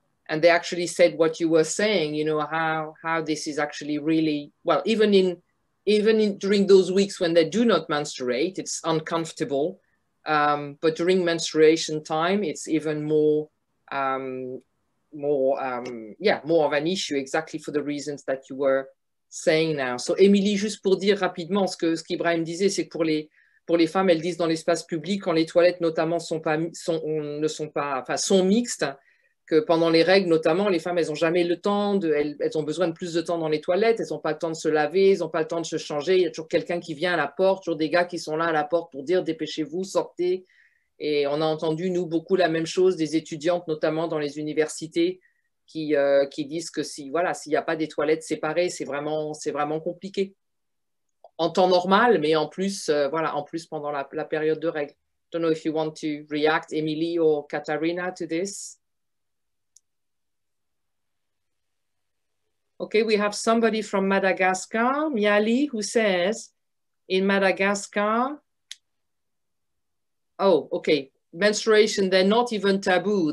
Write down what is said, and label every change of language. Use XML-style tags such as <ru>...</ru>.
<en>And they actually said what you were saying, you know, how this is actually really, well, even in during those weeks when they do not menstruate, it's uncomfortable. But during menstruation time, it's even more of an issue, exactly for the reasons that you were saying now.</en> <fr>So Emily, juste pour dire rapidement, ce qu'Ibrahim disait, c'est que pour les femmes, elles disent dans l'espace public, quand les toilettes notamment sont mixtes, que pendant les règles, notamment, les femmes, elles n'ont jamais le temps, elles ont besoin de plus de temps dans les toilettes, elles n'ont pas le temps de se laver, elles n'ont pas le temps de se changer, il y a toujours quelqu'un qui vient à la porte, toujours des gars qui sont là à la porte pour dire « dépêchez-vous, sortez ». Et on a entendu, nous, beaucoup la même chose, des étudiantes, notamment dans les universités, qui disent que s'il n'y a pas des toilettes séparées, c'est vraiment compliqué. En temps normal, mais en plus pendant la période de règles.</fr> <en>I don't know if you want to react, Emily or Katarina, to this. Okay, we have somebody from Madagascar, Miali, who says, in Madagascar, oh, okay, menstruation, they're not even taboo.</en>